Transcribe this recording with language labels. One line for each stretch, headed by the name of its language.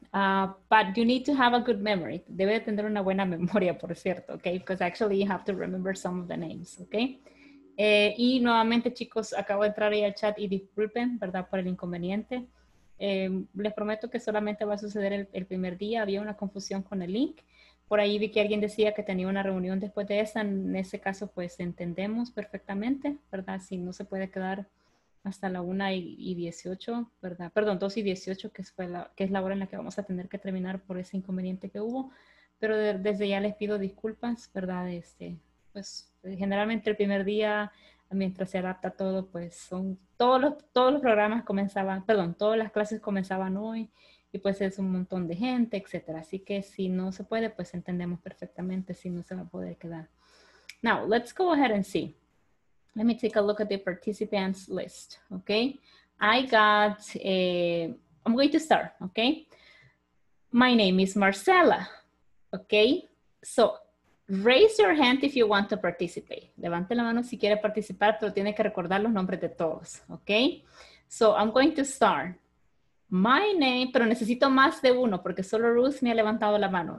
English: But you need to have a good memory.
Spanish: Debe tener una buena memoria, por cierto, okay?
English: Because actually you have to remember some of the names, okay?
Spanish: Y nuevamente, chicos, acabo de entrar ahí al chat y disculpen, ¿verdad? Por el inconveniente. Les prometo que solamente va a suceder el primer día. Había una confusión con el link. Por ahí vi que alguien decía que tenía una reunión después de esa. En ese caso, pues entendemos perfectamente, ¿verdad? Si no se puede quedar hasta la 1:18, ¿verdad? Perdón, 2:18, que es la hora en la que vamos a tener que terminar por ese inconveniente que hubo. Pero desde ya les pido disculpas, ¿verdad? Pues generalmente el primer día, mientras se adapta todo, pues son todos los programas comenzaban, perdón, todas las clases comenzaban hoy y pues es un montón de gente, etcétera. Así que si no se puede, pues entendemos perfectamente si no se va a poder quedar.
English: Now, let's go ahead and see. Let me take a look at the participants list, okay? I'm going to start, okay? My name is Marcela, okay? So, raise your hand if you want to participate.
Spanish: Levante la mano si quiere participar, pero tiene que recordar los nombres de todos, okay?
English: So I'm going to start. My name,
Spanish: pero necesito más de uno porque solo Ruth me ha levantado la mano.